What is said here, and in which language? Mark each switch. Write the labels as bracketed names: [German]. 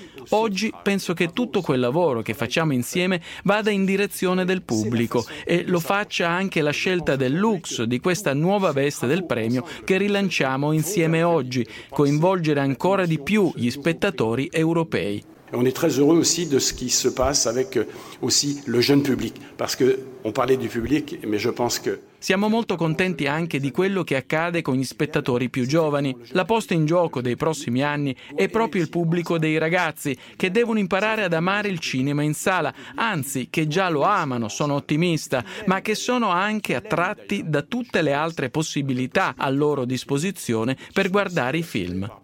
[Italian] Oggi penso che tutto quel lavoro che facciamo insieme vada in direzione del pubblico e lo faccia anche la scelta del Lux, di questa nuova veste del premio che rilanciamo insieme oggi, coinvolgere ancora di più gli spettatori europei. [French] On est très heureux aussi de ce qui se passe avec aussi le jeune public, parce que on parlait du public, mais je pense que [Italian] siamo molto contenti anche di quello che accade con gli spettatori più giovani. La posta in gioco dei prossimi anni è proprio il pubblico dei ragazzi, che devono imparare ad amare il cinema in sala, anzi, che già lo amano, sono ottimista, ma che sono anche attratti da tutte le altre possibilità a loro disposizione per guardare i film.